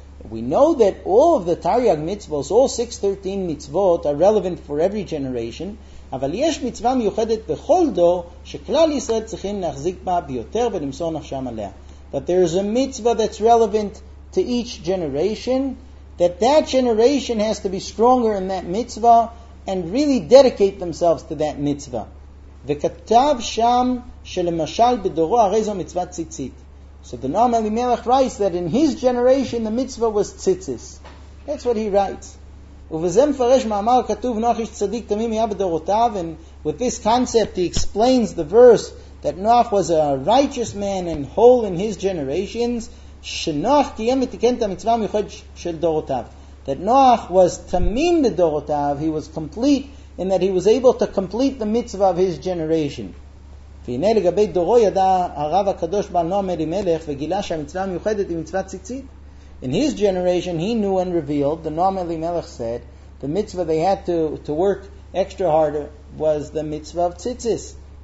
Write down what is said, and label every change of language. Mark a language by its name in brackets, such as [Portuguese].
[English] We know that all of the Taryag mitzvot, all 613 mitzvot, are relevant for every generation. [Hebrew] אבל יש מצווה מיוחדת בכל דור שכלל ישראל צריכים להחזיק בה ביותר ולמסור נפשם עליה. [English] That there is a mitzvah that's relevant to each generation, that generation has to be stronger in that mitzvah and really dedicate themselves to that mitzvah. [Hebrew] וכתב שם שלמשל בדורו הרי זו מצווה ציצית. [English] So the Noam Elimelech writes that in his generation the mitzvah was tzitzis. That's what he writes. [Hebrew] ובזה מפרש מאמר כתוב נוח איש צדיק תמים היה בדורותיו, [English] and with this concept he explains the verse that Noach was a righteous man and whole in his generations, [Hebrew] שנוח קיים ותיקן את המצווה המיוחד של דורותיו. [English] That Noach was tamim בדורותיו, he was complete in that he was able to complete the mitzvah of his generation. [Hebrew] והנה לגבי דורו ידע הרב הקדוש בעל נועם אלימלך וגילה שהמצווה המיוחדת היא מצווה ציצית. [English] In his generation, he knew and revealed, the Noam Elimelech said, the mitzvah they had to work extra hard was the mitzvah of tzitzis.